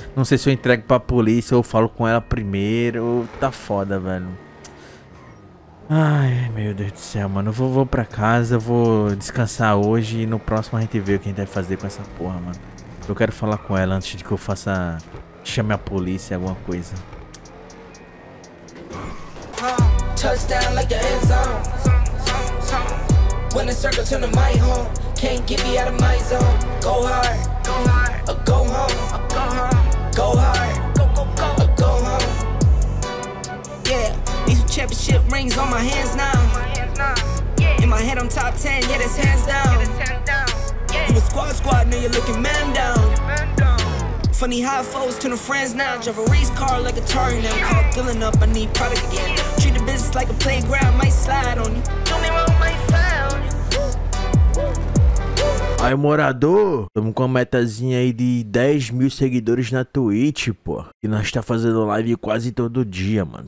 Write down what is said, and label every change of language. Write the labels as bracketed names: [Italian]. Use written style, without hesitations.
[Portuguese] Não sei se eu entrego pra polícia ou falo com ela primeiro. Tá foda, velho. Ai, meu Deus do céu, mano. Eu vou pra casa, vou descansar hoje e no próximo a gente vê o que a gente vai fazer com essa porra, mano. Eu quero falar com ela antes de que eu faça... Chame a polícia, alguma coisa. [English] Touchdown like the end zone. When the circle turn to my home, can't get me out of my zone. Go hard, go hard, or go home, go home, go hard, go go go, or go home. Yeah, these championship rings on my hands now. In my head I'm top 10, yeah that's hands down. You a squad, now you're looking man down. Funny how foes turn to friends now. Drive a race car like a Atari now. Call filling up, I need product again. Treat the business like a playground, might slide on you. Do me wrong, might fly on you. [Portuguese] Aí, morador, tamo com uma metazinha aí de 10 mil seguidores na Twitch, pô. E nós tá fazendo live quase todo dia, mano.